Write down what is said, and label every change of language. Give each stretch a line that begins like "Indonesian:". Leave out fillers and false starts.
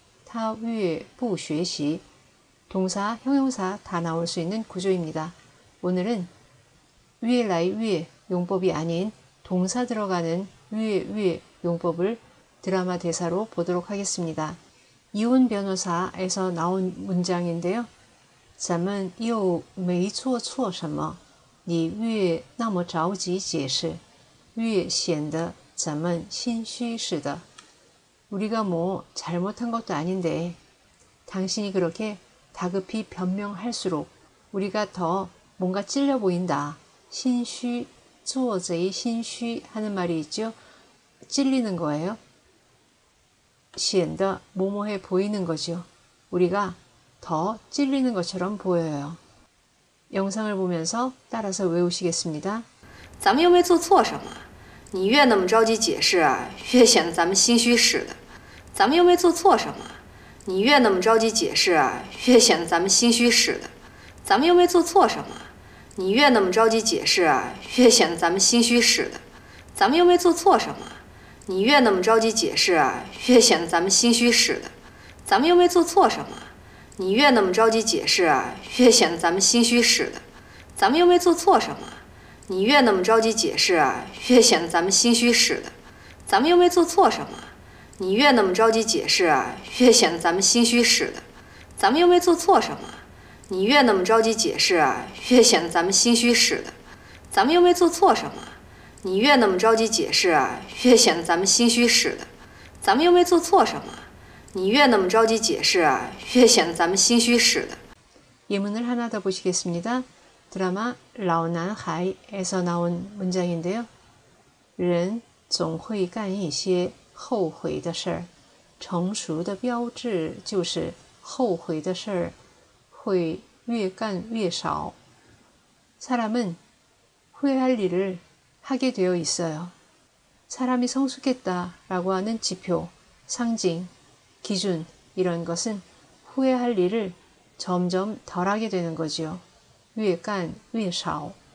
Chinese: 我越让他学习，他越不学习。
Korean: 동사, 형용사 다 나올 수 있는 구조입니다. 오늘은
Chinese: 위에라이 위에
Korean: 용법이 아닌 동사 들어가는 위에 용법을 드라마 대사로 보도록 하겠습니다. 이혼 변호사에서 나온 문장인데요.
Chinese: 咱们又没做错什么，你越那么着急解释，越显得咱们心虚似的。
Korean: 우리가 뭐 잘못한 것도 아닌데 당신이 그렇게 다급히 변명할수록 우리가 더 뭔가 찔려 보인다. 심虚,
Chinese: 做贼
Korean: 심虚 하는 말이 있죠. 찔리는 거예요.
Chinese: 显得
Korean: 뭐뭐해 보이는 거죠. 우리가 더 찔리는 것처럼 보여요. 영상을 보면서 따라서 외우시겠습니다.
Chinese: 咱们又没做错什么，你越那么着急解释啊，越显得咱们心虚似的。咱们又没做错什么，你越那么着急解释啊，越显得咱们心虚似的。咱们又没做错什么，你越那么着急解释啊，越显得咱们心虚似的。咱们又没做错什么，你越那么着急解释啊，越显得咱们心虚似的。咱们又没做错什么，你越那么着急解释啊，越显得咱们心虚似的。咱们又没做错什么。你越那么着急解释啊，越显得咱们心虚似的。咱们又没做错什么，你越那么着急解释啊，越显得咱们心虚似的。咱们又没做错什么，你越那么着急解释啊，越显得咱们心虚似的。咱们又没做错什么，你越那么着急解释啊，越显得咱们心虚似的。咱们又没做错什么，你越那么着急解释啊，越显得咱们心虚似的。
Korean: 예문을 하나 더 보시겠습니다. 드라마 라오난하이에서 나온 문장인데요.
Chinese: 人总会干一些后悔的事儿，成熟的标志就是后悔的事儿会越干越少。
Korean: 사람은 후회할 일을 하게 되어 있어요. 사람이 성숙했다라고 하는 지표, 상징, 기준 이런 것은 후회할 일을 점점 덜하게 되는 거지요.
Chinese: 越干越少.